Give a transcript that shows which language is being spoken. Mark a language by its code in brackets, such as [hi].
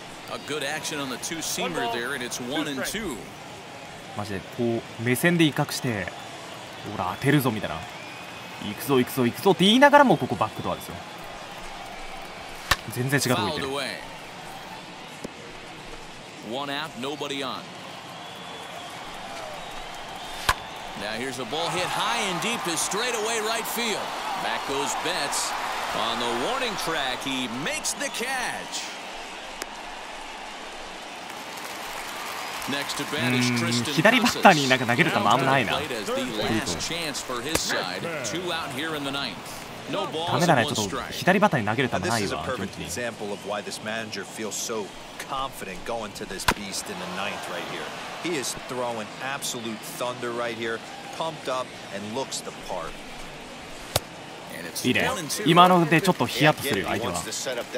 [en] A good action on the two seamer there, and it's one and two. [ja] マジでこう目線で威嚇して、ほら当てるぞみたいな。行くぞ行くぞ行くぞって言いながらもここバックドアですよ。全然違うとこ行ってる。 [en] One out, nobody on. Now here's a ball hit high and deep to straightaway right field. Back goes Betts. On the warning track, he makes the catch. Next to bat is Tristan. [ja] 左バッターになんか投げる球あんまないな。 [en] The last chance for his side. Two out here in the ninth. No balls. [ja] ダメだね、ちょっと左バッターに投げる球ないわ。 [en] This is a perfect example of why this manager feels so confident going to this beast in the ninth right here. He is throwing absolute thunder right here, pumped up and looks the part. [ja] いいね。今のでちょっとヒヤッとするよ、相手は。ちょっと待って、ちょっと待って